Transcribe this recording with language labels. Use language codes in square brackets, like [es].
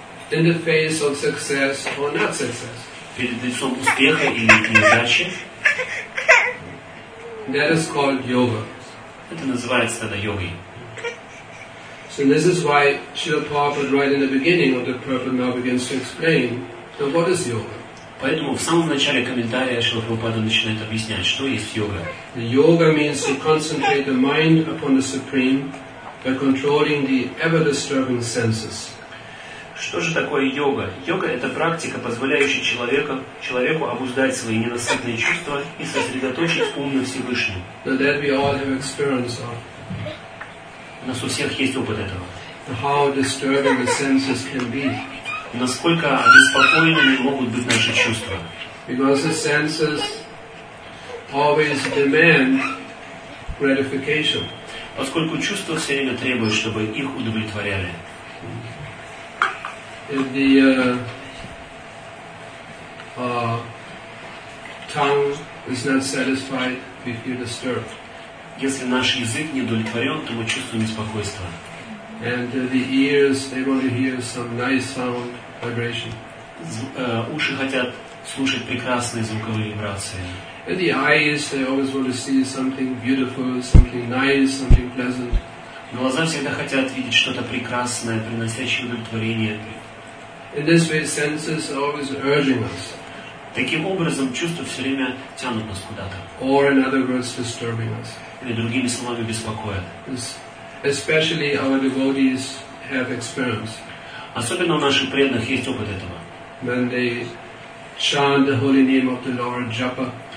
[en] In the face of success or not success. [ru] Перед лицом успеха или неудачи. [en] That is called yoga. [ru] Это называется тогда йогой. [en] So this is why Srila Prabhupada right in the beginning of the purport now begins to explain. So what is yoga? [ru] Поэтому в самом начале комментария Шрила Прабхупада начинает объяснять, что есть йога. [en] The yoga means to concentrate the mind upon the supreme by controlling the ever disturbing senses. [ru] Что же такое йога? Йога – это практика, позволяющая человеку обуздать свои ненасытные чувства и сосредоточить ум на Всевышнем. [en] That we all have experience of. [ru] У нас у всех есть опыт этого. [en] How disturbing the senses can be. [ru] Насколько обеспокоенными могут быть наши чувства. [en] Because the senses always demand gratification. [ru] Поскольку чувства все время требуют, чтобы их удовлетворяли. [en] If the tongue is not satisfied, we feel disturbed. [ru] Если наш язык не удовлетворен, то мы чувствуем беспокойство. [en] And the ears, they want to hear some nice sound vibration. [ru] Уши хотят слушать прекрасные звуковые вибрации. [en] And the eyes, they always want to see something beautiful, something nice, something pleasant. [ru] Глаза всегда хотят видеть что-то прекрасное, приносящее удовлетворение. [en] In this way, senses are always urging us. [ru] Таким образом, чувства все время тянут нас куда-то. [en] Or in other words, disturbing us. [ru] Или другими словами, беспокоят. [en] Especially our devotees have experience. [ru] Особенно у наших преданных есть опыт этого. [en] When they chant the holy name of the Lord Japa.